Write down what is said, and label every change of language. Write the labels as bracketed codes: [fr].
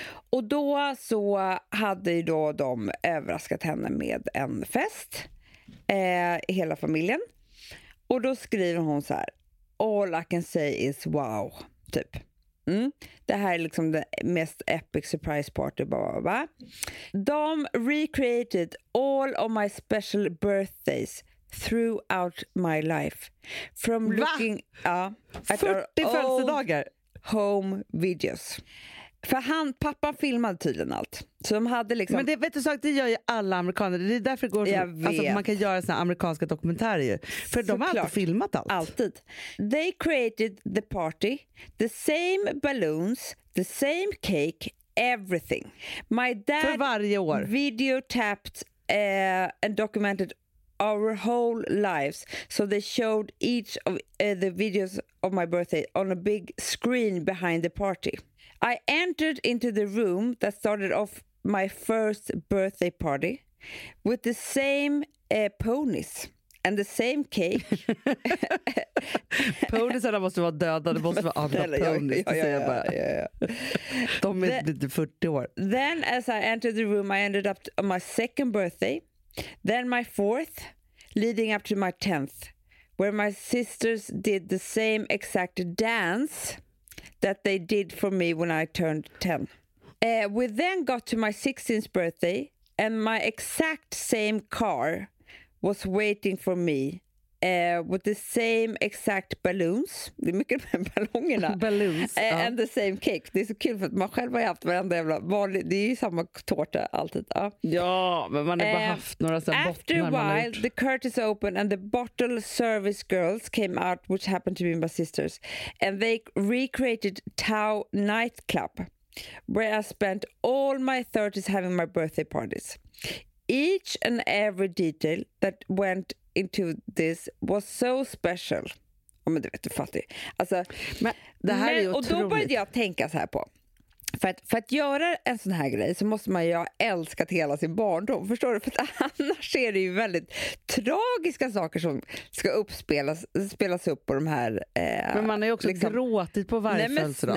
[sv] Och då så hade ju då de överraskat henne med en fest, hela familjen. Och då skriver hon så här: [en] all I can say is wow, [sv] typ. Mm. Det här är liksom det mest [en] epic surprise party, blah, blah, blah. De recreated all of my special birthdays throughout my life from looking [sv] at 40 födelsedagar [en] home videos. [sv] För han, pappan filmade tydligen allt. Så de hade liksom... Men det, vet du, det gör ju alla amerikaner. Det är därför det går så, alltså, man kan göra såna amerikanska dokumentärer ju. För de har alltid filmat allt. Alltid. [en] They created the party. The same balloons. The same cake. Everything. My dad... [sv] För varje år. [en] ...videotapped and documented our whole lives. So they showed each of the videos of my birthday on a big screen behind the party. I entered into the room that started off my first birthday party with the same ponies and the same cake. [sv] Poniesarna måste vara döda, det måste vara andra ponies. Ja. De är 40 år. [en] Then as I entered the room, I ended up on my second birthday, then my fourth, leading up to my 10th, where my sisters did the same exact dance that they did for me when I turned 10. We then got to my 16th birthday and my exact same car was waiting for me with the same exact balloons. [sv] Det är mycket med ballongerna. [en] Balloons. And the same cake. [sv] Det är så kul för att man själv har haft varenda jävla vanlig, det är ju samma tårta alltid. Ja, men man har bara haft några sådana bottnar. [en] After a while, the curtains opened and the bottle service girls came out, which happened to be my sisters. And they recreated Tau nightclub, where I spent all my 30s having my birthday parties. Each and every detail that went into this was so special. [sv] Oh, men du vet, du fattar. Alltså, men det här är ju otroligt. Och då började jag tänka så här på. För att göra en sån här grej så måste man ju ha älskat hela sin barndom. Förstår du? För annars är det ju väldigt tragiska saker som ska spelas upp på de här... Men man är ju också liksom, gråtit på varje födelsedag.